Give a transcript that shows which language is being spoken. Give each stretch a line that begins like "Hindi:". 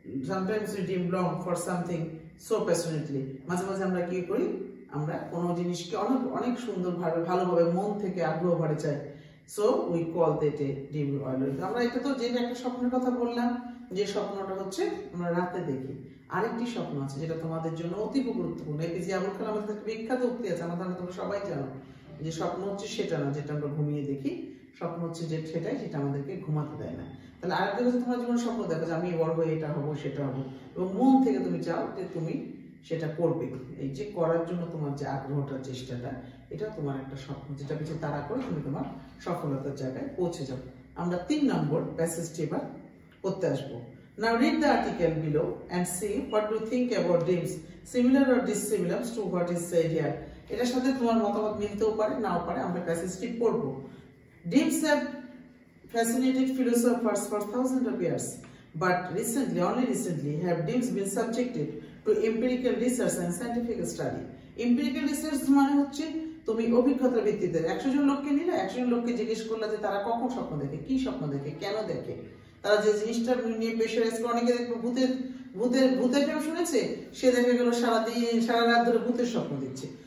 English: Sometimes we dream long for something so passionately.
Bangla: মাঝে মাঝে আমরা কি করি? আমরা কোনো জিনিসকে অনেক অনেক সুন্দরভাবে ভালোভাবে মন থেকে আগ্রহ ভরে চাই।
English: So we call that a dream always.
Bangla: আমরা এটা তো যেন একটা স্বপ্নের কথা বললাম, যে স্বপ্নটা হচ্ছে আমরা রাতে দেখি। আরেকটি স্বপ্ন আছে যেটা তোমাদের জন্য অতীব গুরুত্বপূর্ণ, এপিজে আবুল কালাম আমাদের একটা বিখ্যাত উক্তি আছে, আমার ধারণা তোমরা সবাই জানো, যে স্বপ্ন হচ্ছে সেটা না যেটা আমরা ঘুমিয়ে দেখি, স্বপ্ন হচ্ছে যে সেটাই যেটা আমাদেরকে ঘুমাতে দেয় না। তাহলে আরেকটি হচ্ছে তোমার জীবনে স্বপ্ন দেখো যে আমি বড় হয়ে এটা হবো সেটা হবো, এবং মন থেকে তুমি চাও যে তুমি সেটা করবে। এই যে করার জন্য তোমার যে আগ্রহটা চেষ্টাটা, এটা তোমার একটা স্বপ্ন, যেটা পিছিয়ে তাড়া করে তুমি তোমার সফলতার জায়গায় পৌঁছে যাবে। আমরা তিন নম্বর প্যাসেজটি এবার পড়তে আসবো।
English: Now read the article below and see what you think about dreams, similar or dissimilar to what is said here.
Bangla: এটার সাথে তোমার মতামত মিলতেও পারে নাও পারে, আমরা প্যাসেজটি পড়ব।
English: Dreams have fascinated philosophers for thousands of years, but only recently have dreams been subjected to empirical research and scientific study.
Bangla: Empirical research মানে হচ্ছে তুমি অভিজ্ঞতার ভিত্তিতে 100 জন লোককে নিলে, 100 জন লোককে জিজ্ঞেস করলে যে তারা কখন স্বপ্ন দেখে, কি স্বপ্ন দেখে, কেন দেখে, তারা যে জিনিসটা নিয়ে প্রেশারাইজ করে, অনেকে দেখবে ভূতের ভূতের ভূতের কেউ শুনেছে, সে দেখে গেল সারাদিন সারা রাত ধরে ভূতের স্বপ্ন দিচ্ছে।